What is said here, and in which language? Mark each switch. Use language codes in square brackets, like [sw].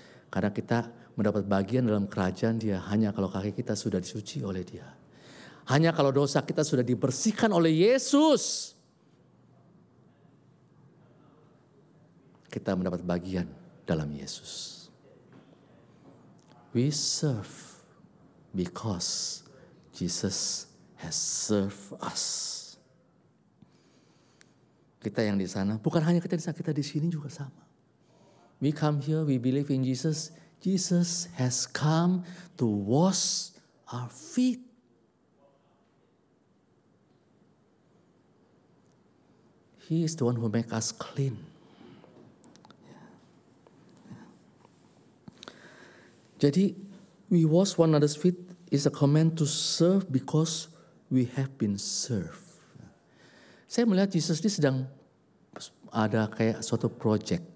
[id] Karena kita mendapat bagian dalam kerajaan dia. Hanya kalau kaki kita sudah dicuci oleh dia. Hanya kalau dosa kita sudah dibersihkan oleh Yesus. Kita mendapat bagian dalam Yesus. [en] We serve because Jesus has served us. [id] Kita yang di sana, bukan hanya kita di sana, kita di sini juga sama. [en] We come here, we believe in Jesus. Jesus has come to wash our feet. He is the one who makes us clean. [id] Jadi, [en] we wash one another's feet is a command to serve because we have been served. [id] Saya melihat Yesus ini sedang ada kayak suatu project.